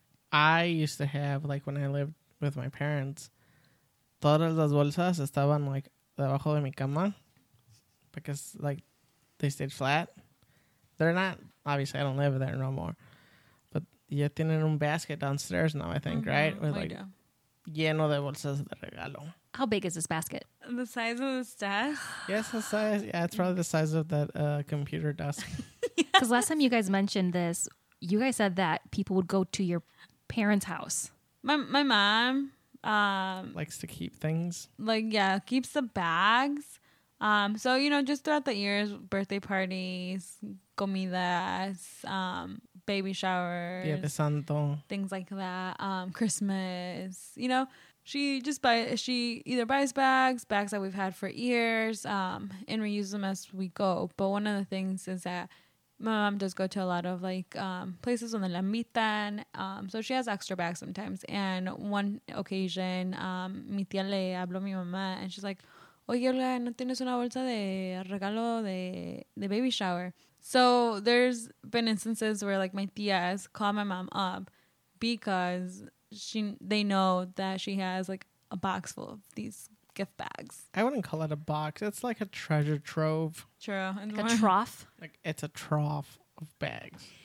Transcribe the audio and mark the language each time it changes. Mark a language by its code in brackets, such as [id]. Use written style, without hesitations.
[en] I used to have, like, when I lived with my parents, [es] todas las bolsas estaban, [en] like, [es] debajo de mi cama [en] because, like, they stayed flat. They're not, obviously, I don't live there no more. But [es] ya tienen [en] un basket downstairs now, I think, right? With, like, [es] lleno de bolsas de regalo. [en] How big is this basket? The size of this desk? Yes, the size. Yeah, it's probably the size of that computer desk. Because last time you guys mentioned this, you guys said that people would go to your parents' house. My mom likes to keep things, like, yeah, keeps the bags. So, you know, just throughout the years, birthday parties, comidas, baby showers, [es] Día de Santo, [en] things like that, Christmas, you know, she either buys bags that we've had for years, and reuses them as we go. But one of the things is that my mom does go to a lot of, like, places on the Lamitan. So she has extra bags sometimes. And one occasion, [es] mi tía le habló a mi mamá, [en] and she's like, [es] oye, Olga, ¿no tienes una bolsa de regalo de baby shower? [en] So there's been instances where, like, my tías call my mom up because they know that she has, like, a box full of these gift bags. I wouldn't call it a box. It's like a treasure trove. True. Like a trough? Like, it's a trough of bags.